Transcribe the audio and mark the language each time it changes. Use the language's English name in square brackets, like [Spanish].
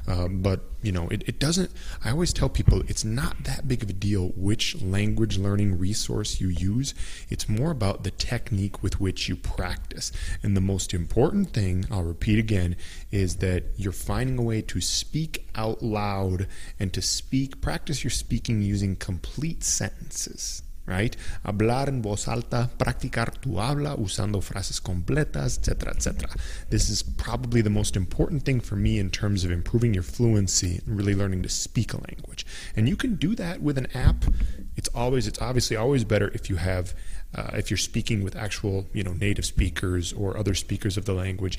[English] But, you know, it doesn't, I always tell people, it's not that big of a deal which language learning resource you use. It's more about the technique with which you practice. And the most important thing, I'll repeat again, is that you're finding a way to speak out loud and to practice your speaking using complete sentences. Right? [Spanish] Hablar en voz alta, practicar tu habla usando frases completas, etc., etc. [English] This is probably the most important thing for me in terms of improving your fluency and really learning to speak a language. And you can do that with an app. It's obviously always better if you have, if you're speaking with actual, you know, native speakers or other speakers of the language.